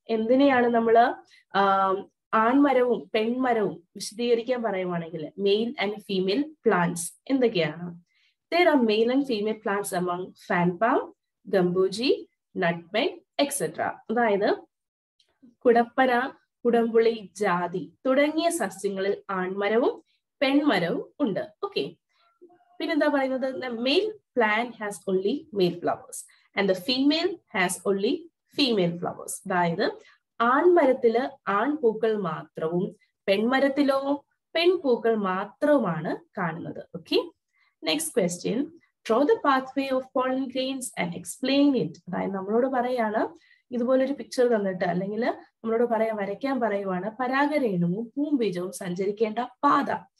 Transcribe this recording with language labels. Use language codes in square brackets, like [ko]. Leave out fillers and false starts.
[ml] എന്തിനെയാണ് നമ്മൾ ആൺമരവും പെൺമരവും വിശദീകരിക്കാൻ പറയുവാണെങ്കിൽ മെയിൽ ആൻഡ് ഫീമെയിൽ പ്ലാന്റ്സ് എന്തൊക്കെയാണ്? [en] There are male and female plants among fan palm, gamboge, nutmeg etcetera. [ml] അതായത് കുടപ്പന, കുടംപുളി, ജാതി തുടങ്ങിയ സസ്യങ്ങളിൽ ആൺമരവും പെൺമരവും ഉണ്ട്. ഓക്കെ, പിന്നെന്താ പറയുന്നത്? [en] Male plant has only male flowers and the female has only female flowers. [ml] അതായത് ആൺമരത്തില് ആൺപൂക്കൾ മാത്രവും പെൺമരത്തിലോ പെൺപൂക്കൾ മാത്രവുമാണ് കാണുന്നത്. [en] Okay, next question, draw the pathway of pollen grains and explain it. [ml] അതായത് നമ്മളോട് പറയാണ് ഇതുപോലൊരു പിക്ചർ തന്നിട്ട്, അല്ലെങ്കിൽ നമ്മളോട് പറയാൻ വരയ്ക്കാൻ പറയുവാണ് പരാഗരേണുവും പൂമ്പീജവും സഞ്ചരിക്കേണ്ട പാത.